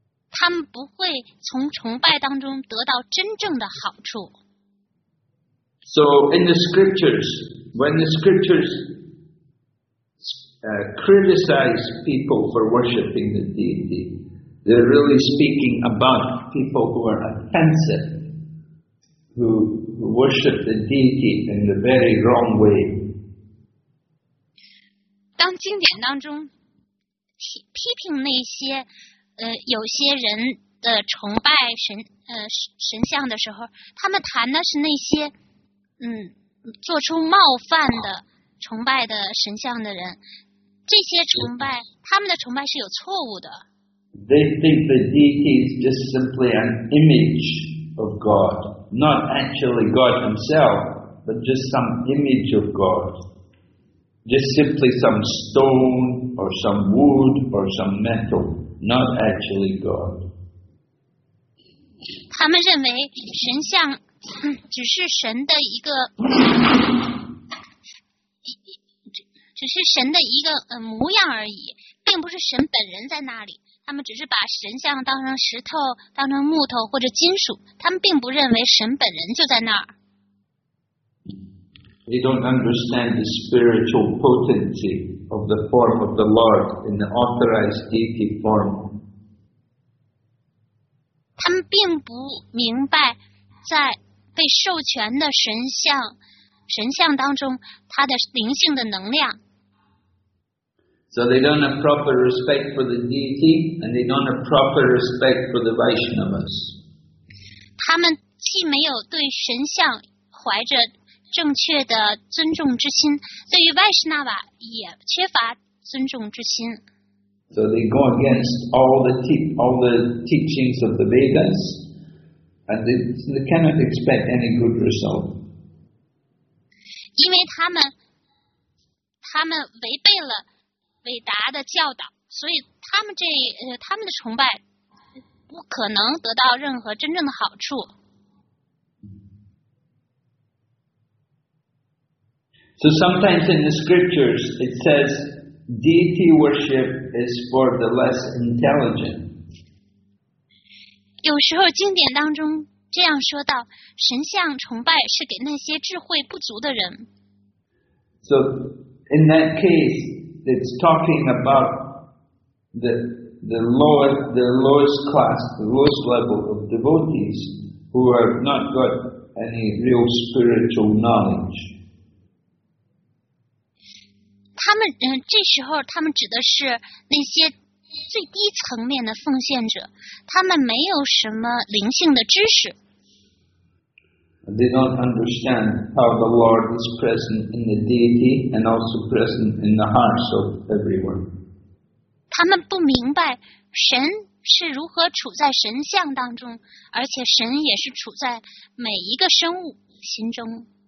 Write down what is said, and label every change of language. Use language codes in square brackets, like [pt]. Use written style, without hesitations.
[zh] 他们不会从崇拜当中得到真正的好处。 [en] So in the scriptures, when the scriptures criticize people for worshipping the deity, they're really speaking about people who are offensive, who worship the deity in the very wrong way. [zh] 当经典当中批评那些有些人的崇拜神像的时候，他们谈的是那些做出冒犯的崇拜的神像的人。这些崇拜，他们的崇拜是有错误的。 [en] They think the deity is just simply an image of God, not actually God himself, but just some image of God. Just simply some stone, or some wood, or some metal, not actually God. [zh] 他们认为神像只是神的一个只是神的一个模样而已，并不是神本人在那里。他们只是把神像当成石头，当成木头或者金属。他们并不认为神本人就在那儿。 [en] They don't understand the spiritual potency of the form of the Lord in the authorized deity form. [zh] 他们并不明白，在被授权的神像当中，它的灵性的能量。 [en] So they don't have proper respect for the deity, and they don't have proper respect for the Vaishnavas. [zh] 他们既没有对神像怀着正确的尊重之心，对于 Vaishnava 也缺乏尊重之心。 [en] So they go against all the teachings of the Vedas, and they cannot expect any good result. [zh] 因为他们违背了伟达的教导，所以他们的崇拜不可能得到任何真正的好处。 [en] So sometimes in the scriptures it says deity worship is for the less intelligent. [zh] 有时候经典当中这样说到，神像崇拜是给那些智慧不足的人。 [en] So in that case, it's talking about the lowest class, the lowest level of devotees who have not got any real spiritual knowledge. [zh] 他们这时候他们指的是那些最低层面的奉献者，他们没有什么灵性的知识。 [en] They don't understand how the Lord is present in the deity and also present in the hearts of everyone. [zh] 他们不明白神是如何处在神像当中，而且神也是处在每一个生物心中。